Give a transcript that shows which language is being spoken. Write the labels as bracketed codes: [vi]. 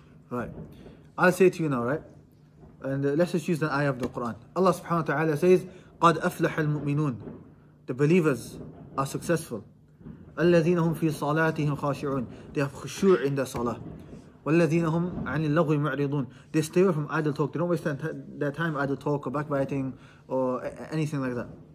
[en] Right. I'll say to you now, right? And let's just use the ayah of the Quran. Allah subhanahu wa ta'ala says, [ar] قَدْ أَفْلَحَ الْمُؤْمِنُونَ. [en] The believers are successful. [ar] الذين هم في صلاتهم خاشعون. [en] They have خشوع in their salah. [ar] والذين هم عن اللغو معرضون. [en] They stay away from idle talk. They don't waste their time idle talk or backbiting or anything like that.